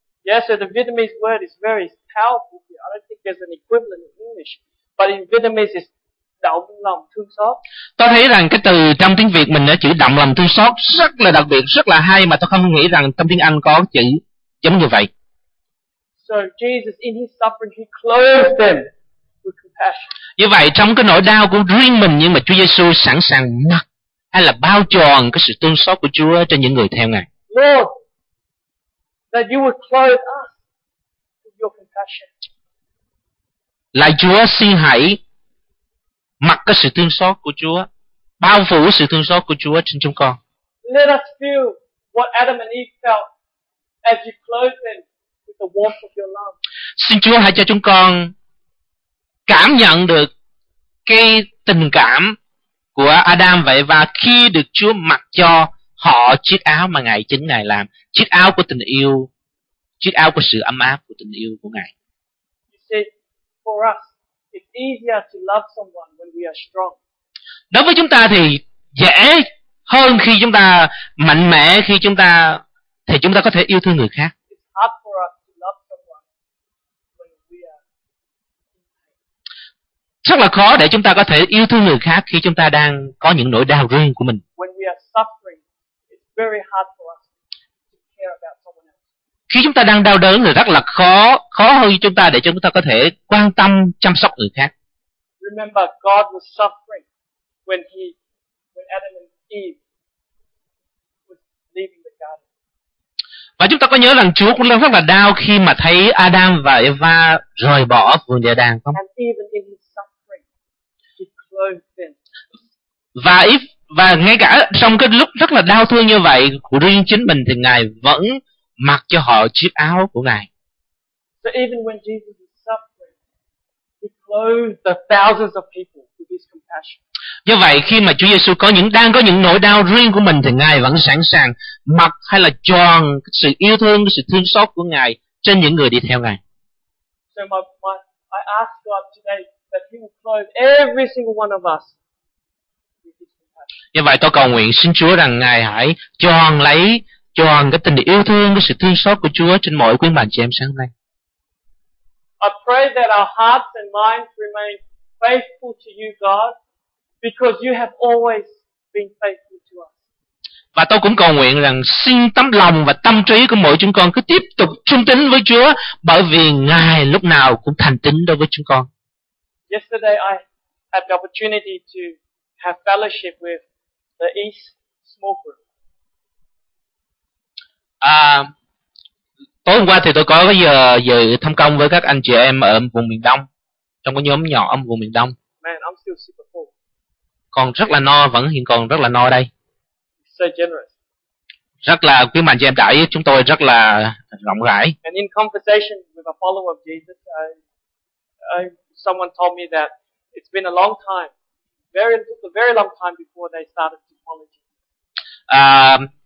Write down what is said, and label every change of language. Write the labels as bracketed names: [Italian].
[English] Yes, so the Vietnamese word is very powerful. I don't think there's an equivalent in English. But in Vietnamese, it's [Vietnamese] động lòng thương xót. Tôi thấy rằng cái từ trong tiếng Việt mình chữ động lòng thương xót rất là đặc biệt, rất là hay, mà tôi không nghĩ rằng trong tiếng Anh có chữ giống như vậy. [English] So Jesus, in his suffering, he clothed them with compassion. [Vietnamese] Như vậy trong cái nỗi đau của riêng mình, nhưng mà Chúa Giêsu sẵn sàng mặc hay là bao tròn cái sự thương xót của Chúa cho những người theo Ngài. [English] Lord, that you would clothe us with your compassion. [Vietnamese] Lạy Chúa, xin hãy mặc cái sự thương xót của Chúa, bao phủ sự thương xót của Chúa trên chúng con. [English] Let us feel what Adam and Eve felt as you clothed them with the warmth of your love. [Vietnamese] Xin Chúa hãy cho chúng con cảm nhận được cái tình cảm của Adam và Eva khi được Chúa mặc cho họ chiếc áo mà Ngài chính Ngài làm, chiếc áo của tình yêu, chiếc áo của sự ấm áp của tình yêu của Ngài. [English] For us, it's easier to love someone when we are strong. [Vietnamese] Đối với chúng ta thì dễ hơn khi chúng ta mạnh mẽ, khi chúng ta thì chúng ta có thể yêu thương người khác. [English] It's hard for us to love someone when we are. [Vietnamese] Chắc là khó để chúng ta có thể yêu thương người khác khi chúng ta đang có những nỗi đau riêng của mình. [English] When we are suffering, it's very hard for us to care about someone. [Vietnamese] Khi chúng ta đang đau đớn thì rất là khó hơn chúng ta để chúng ta có thể quan tâm chăm sóc người khác. [English] Remember, God was suffering when Adam and Eve was leaving the garden. [Vietnamese] Và chúng ta có nhớ rằng Chúa cũng đang rất là đau khi mà thấy Adam và Eva rời bỏ vườn địa đàng không? [English] And even in his suffering, he clothed them. [Vietnamese] Và ngay cả trong cái lúc rất là đau thương như vậy của riêng chính mình thì Ngài vẫn mặc cho họ chiếc áo của Ngài. [English] So even when Jesus was suffering, he clothed the thousands of people with his compassion. [Vietnamese] Do vậy khi mà Chúa Giêsu đang có những nỗi đau riêng của mình thì Ngài vẫn sẵn sàng mặc hay là tròn sự yêu thương, sự thương xót của Ngài trên những người đi theo Ngài. [English] So I ask God today that he will clothe every single one of us with his compassion. [Vietnamese] Do vậy tôi cầu nguyện xin Chúa rằng Ngài hãy tròn cái tình yêu thương, cái sự thương xót của Chúa trên mọi quyến bạn chị em sáng nay. [English] I pray that our hearts and minds remain faithful to you, God, because you have always been faithful to us. [Vietnamese] Và tôi cũng cầu nguyện rằng xin tấm lòng và tâm trí của mỗi chúng con cứ tiếp tục trung tín với Chúa, bởi vì Ngài lúc nào cũng thành tín đối với chúng con. [English] Yesterday I had the opportunity to have fellowship with the East small group. [Vietnamese] Tối hôm qua thì tôi có cái giờ thăm công với các anh chị em ở vùng miền Đông, trong cái nhóm nhỏ ở vùng miền Đông. [English] Man, I'm still super full. [Vietnamese] Còn rất là no, vẫn hiện còn rất là no đây. [English] So generous. [Vietnamese] Rất là quý mạnh cho em đãi chúng tôi rất là rộng rãi. [English] And in conversation with a follower of Jesus, someone told me that it's been a long time, very long time before they started to follow Jesus.